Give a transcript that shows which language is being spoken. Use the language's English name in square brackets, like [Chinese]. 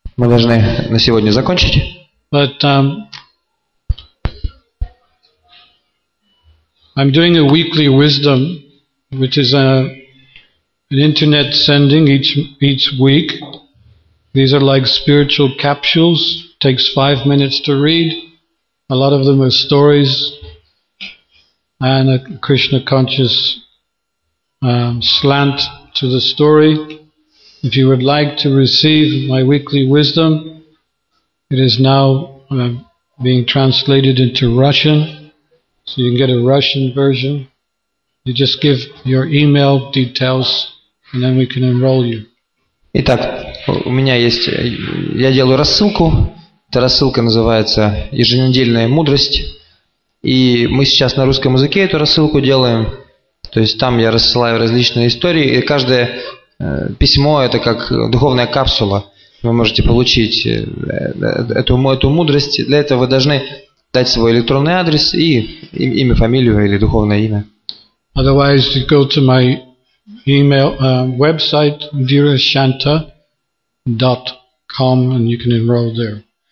[Russian] Мы должны на сегодня закончить. [English] But I'm doing a weekly wisdom, which is an internet sending each week. These are like spiritual capsules. Takes 5 minutes to read. A lot of them are stories and a Krishna conscious slant to the story. If you would like to receive my weekly wisdom, it is now being translated into Russian, so you can get a Russian version. You just give your email details, and then we can enroll you. [Russian] Итак, у меня есть, я делаю рассылку. Эта рассылка называется «Еженедельная мудрость». И мы сейчас на русском языке эту рассылку делаем. То есть там я рассылаю различные истории. И каждое письмо – это как духовная капсула. Вы можете получить эту мудрость. Для этого вы должны дать свой электронный адрес и имя, фамилию или духовное имя. [English] Otherwise, you go to my email website, virashanta.com, and you can enroll there.